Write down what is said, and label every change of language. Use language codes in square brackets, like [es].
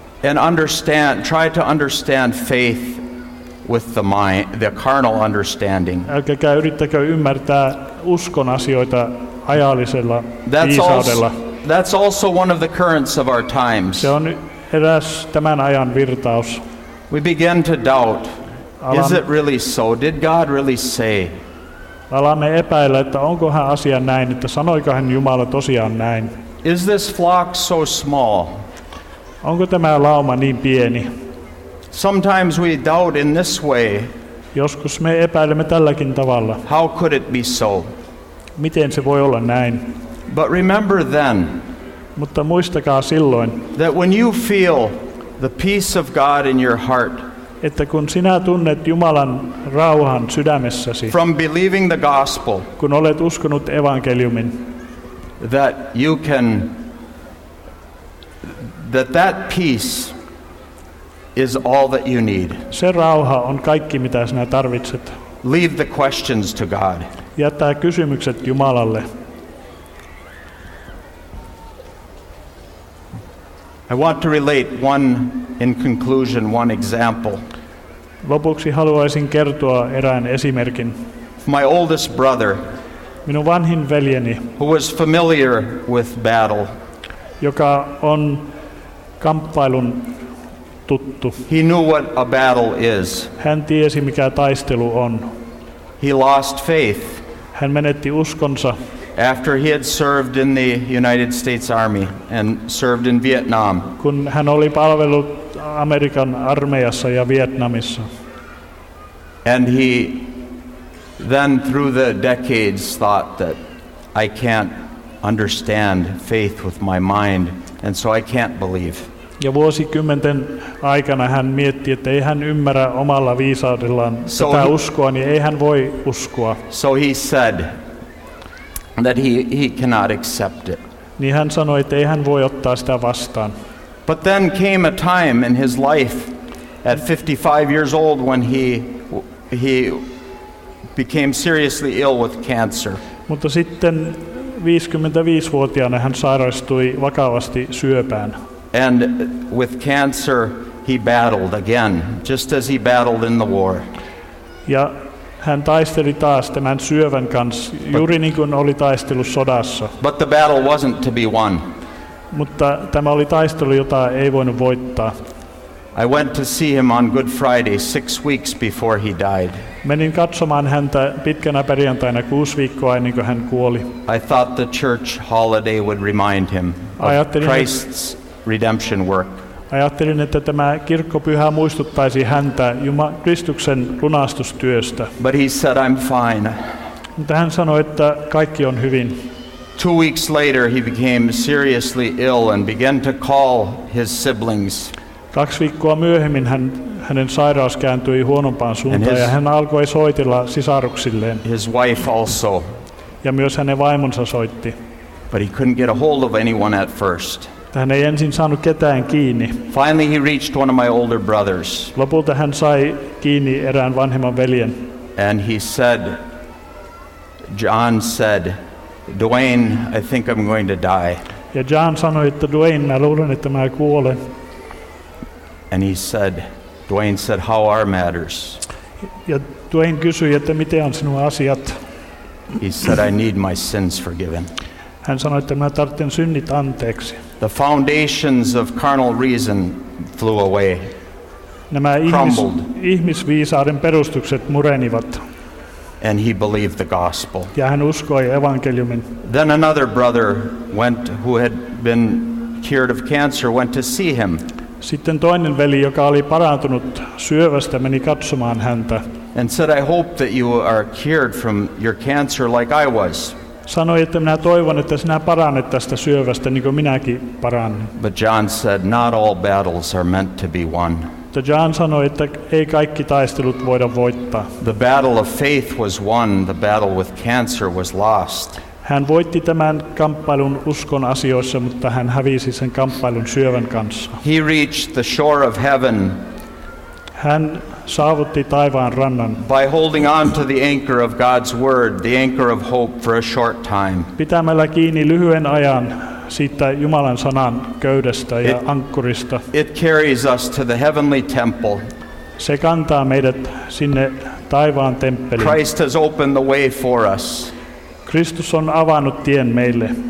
[en] And understand, try to understand faith with the mind, the carnal understanding. [fi] Älkää yrittäkö ymmärtää uskon asioita ajallisella viisaudella. [en] That's also one of the currents of our times. [fi] Se on eräs tämän ajan virtaus. [en] We begin to doubt. Is it really so? Did God really say? [fi] Alamme epäillä, että onko hän asia näin, että sanoiko hän Jumala tosiaan näin. [en] Is this flock so small? [fi] Onko tämä lauma niin pieni? [en] Sometimes we doubt in this way. [fi] Joskus me epäilemme tälläkin tavalla. [en] How could it be so? [fi] Miten se voi olla näin? [en] But remember then. [fi] Mutta muistakaa silloin. [en] That when you feel the peace of God in your heart. [fi] Että kun sinä tunnet Jumalan rauhan sydämessäsi. [en] From believing the gospel. [fi] Kun olet uskonut evankeliumin. [en] That you can, that peace is all that you need. [fi] Se rauha on kaikki mitä sinä tarvitset. [en] Leave the questions to God. [fi] Jättää kysymykset Jumalalle. [en] I want to relate one in conclusion, one example. [fi] Lopuksi haluaisin kertoa erään esimerkin. [en] My oldest brother, [fi] minun vanhin veljeni, [en] who was familiar with battle, [fi] joka on kamppailun tuttu. [en] He knew what a battle is. [fi] Hän tiesi, mikä taistelu on. [en] He lost faith. [fi] Hän menetti uskonsa. [en] After he had served in the United States Army and served in Vietnam. [fi] Kun hän oli palvellut Amerikan armeijassa ja Vietnamissa. [en] And he then through the decades thought that I can't understand faith with my mind and so I can't believe. [fi] Ja vuosikymmenten aikana hän mietti, että ei hän ymmärrä omalla viisaudellaan tätä uskoa, niin ei hän voi uskoa. [en] So he said that he cannot accept it. [fi] niin hän sanoi, että ei hän voi ottaa sitä vastaan. [en] But then came a time in his life at 55 years old when he became seriously ill with cancer. [fi] Mutta sitten 55-vuotiaana hän sairastui vakavasti syöpään. [en] And with cancer he battled again, just as he battled in the war. [fi] Ja hän taisteli taas tämän syövän kanssa, juuri niin kuin oli taistellut sodassa. [en] But the battle wasn't to be won. [fi] Mutta tämä oli taistelu, jota ei voinut voittaa. [en] I went to see him on Good Friday, 6 weeks before he died. [fi] Menin katsomaan häntä pitkänä perjantaina 6 viikkoa ennen kuin hän kuoli. [en] I thought the church holiday would remind him of Christ's redemption work. [fi] Ajattelin, että tämä kirkkopyhä muistuttaisi häntä Kristuksen lunastustyöstä. [en] But he said, I'm fine. [fi] Mutta hän sanoi, että kaikki on hyvin. [en] 2 weeks later, he became seriously ill and began to call his siblings. [fi] 2 viikkoa myöhemmin hänen sairaus kääntyi huonompaan suuntaan ja hän alkoi soitella sisaruksilleen. [en] His wife also. [fi] Ja myös hänen vaimonsa soitti. [en] But he couldn't get a hold of anyone at first. [fi] Hän ei ensin saanut ketään kiinni. [en] Finally he reached one of my older brothers. [fi] Lopulta hän sai kiinni erään vanhemman veljen. [en] And he said, John said, Dwayne, I think I'm going to die. [fi] Ja John sanoi, että Dwayne, mä luulen, että mä kuolen. [en] And he said, Dwayne said, how are matters? [fi] Ja Dwayne kysyi, että miten on sinun asiat? [en] He said, I need my sins forgiven. [fi] Hän sanoi, että mä tarvitsen synnit anteeksi. [en] The foundations of carnal reason flew away. [fi] Nämä [en] crumbled. [fi] Ihmisviisauden perustukset murenivat. [en] And he believed the gospel. [fi] Ja hän uskoi evankeliumin. [en] Then another brother went, who had been cured of cancer, went to see him. [fi] Sitten toinen veli, joka oli parantunut syövästä, meni katsomaan häntä. [en] And said, I hope that you are cured from your cancer like I was. [fi] Sanoi, että minä toivon, että sinä parannet tästä syövästä, niin kuin minäkin parannin. [en] But John said, not all battles are meant to be won. [fi] Mutta John sanoi, että ei kaikki taistelut voida voittaa. [en] The battle of faith was won, the battle with cancer was lost. [fi] Hän voitti tämän kamppailun uskon asioissa, mutta hän hävisi sen kamppailun syövän kanssa. [en] He reached the shore of heaven. [fi] Hän saavutti taivaan rannan. [en] By holding on to the anchor of God's word, the anchor of hope for a short time. [fi] Pitämällä kiinni lyhyen ajan siitä Jumalan sanan köydestä ja ankkurista. [en] It carries us to the heavenly temple. [fi] Se kantaa meidät sinne taivaan temppeliin. [en] Christ has opened the way for us. [fi] Kristus on avannut tien meille.